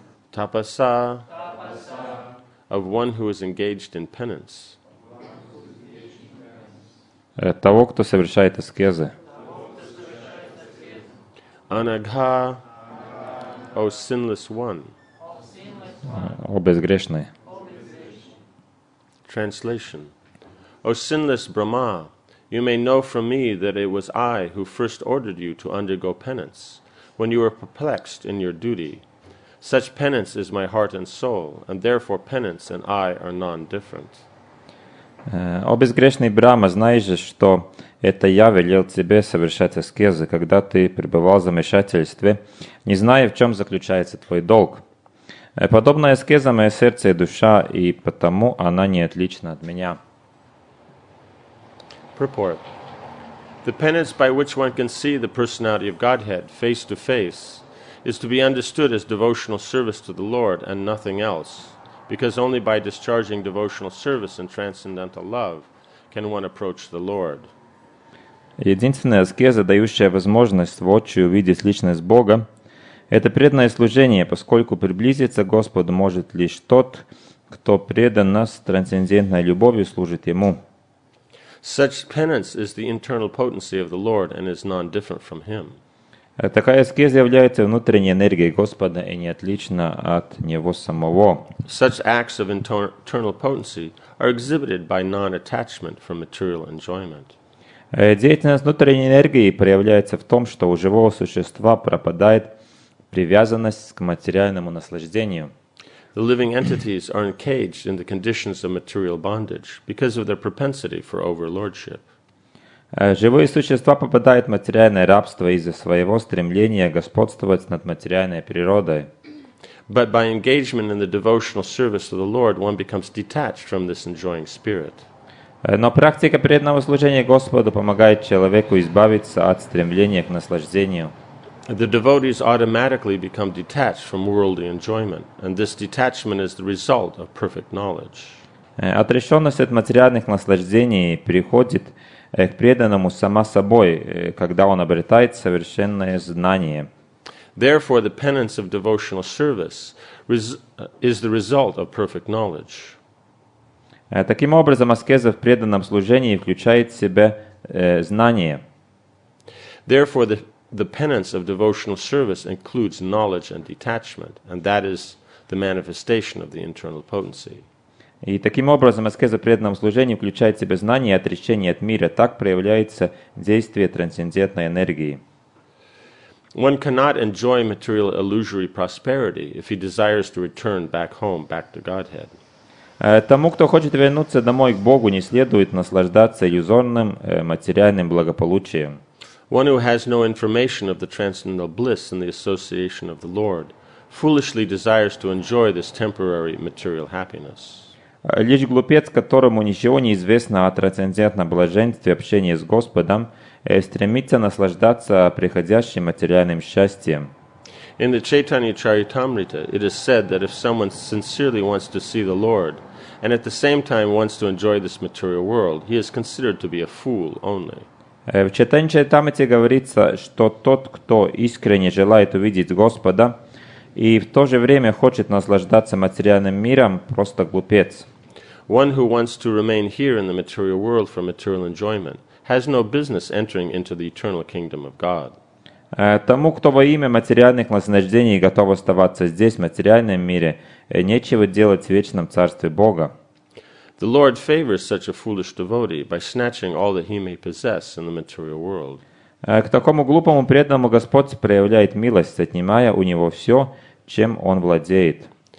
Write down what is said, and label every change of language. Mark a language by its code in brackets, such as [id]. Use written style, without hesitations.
[en] тапаса, of one who is engaged in penance. [ru] Того, кто совершает аскезы. [en] Анагха, о sinless one. [ru] О безгрешный. [en] Translation. О sinless Brahma, you may know from me that it was I who first ordered you to undergo penance when you were perplexed in your duty. Such penance is my heart and soul, and therefore penance and I are non-different. [ru] О безгрешный Брама, знаешь же, что это я велел тебе совершать аскезы, когда ты пребывал в замешательстве, не зная, в чем заключается твой долг. Подобная аскеза — мое сердце и душа, и потому она не отлична от меня. [en] Purport. The penance by which one can see the personality of Godhead face to face is to be understood as devotional service to the Lord and nothing else. Because only by discharging devotional service and transcendental love can one approach the Lord. [ru] Единственная аскеза, дающая возможность воочию увидеть личность Бога, это преданное служение, поскольку приблизиться к Господу может лишь тот, кто предан нас трансцендентной любовью служит Ему. [en] Such penance is the internal potency of the Lord and is non-different from Him. [ru] Такая аскеза является внутренней энергией Господа и не отлична от Него самого. [en] Such acts of internal potency are exhibited by non-attachment from material enjoyment. [ru] Деятельность внутренней энергии проявляется в том, что у живого существа пропадает привязанность к материальному наслаждению. [en] The living entities are encaged in the conditions of material bondage because of their propensity for overlordship. [ru] Живые существа попадают в материальное рабство из-за своего стремления господствовать над материальной природой. [en] But by engagement in the devotional service of the Lord, one becomes detached from this enjoying spirit. [ru] Но практика преданного служения Господу помогает человеку избавиться от стремления к наслаждению. [en] The devotees automatically become detached from worldly enjoyment, and this detachment is the result of perfect knowledge. [ru] Отрешенность от материальных наслаждений приходит к преданному сама собой, когда он обретает совершенное знание. [en] Therefore, the penance of devotional service is the result of perfect knowledge. [ru] Таким образом, аскеза в преданном служении включает в себя знание. [en] Therefore, the penance of devotional service includes knowledge and detachment, and that is the manifestation of the internal potency. [ru] И таким образом, аскеза в преданном служении включает в себя знание и отречение от мира. Так проявляется действие трансцендентной энергии. [en] One cannot enjoy material illusory prosperity if he desires to return back home, back to Godhead. [ru] Тому, кто хочет вернуться домой к Богу, не следует наслаждаться иллюзорным материальным благополучием. [en] One who has no information of the transcendental bliss and the association of the Lord foolishly desires to enjoy this temporary material happiness. [ru] Лишь глупец, которому ничего не известно о трансцендентном блаженстве общения с Господом, стремится наслаждаться приходящим материальным счастьем. [en] In the Chaitanya Charitamrita, it is said that if someone sincerely wants to see the Lord, and at the same time wants to enjoy this material world, he is considered to be a fool only. [ru] В Чайтанья Чаритамрите говорится, что тот, кто искренне желает увидеть Господа, и в то же время хочет наслаждаться материальным миром, просто глупец. [en] One who wants to remain here in the material world for material enjoyment has no business entering into the eternal kingdom of God. [ru] Тому, кто во имя материальных наслаждений готов оставаться здесь, в материальном мире, нечего делать в вечном царстве Бога. [en] The Lord favors such a foolish devotee by snatching all that he may possess in the material world. [ru] К такому глупому преданному Господь проявляет милость, отнимая у него все, чем он владеет.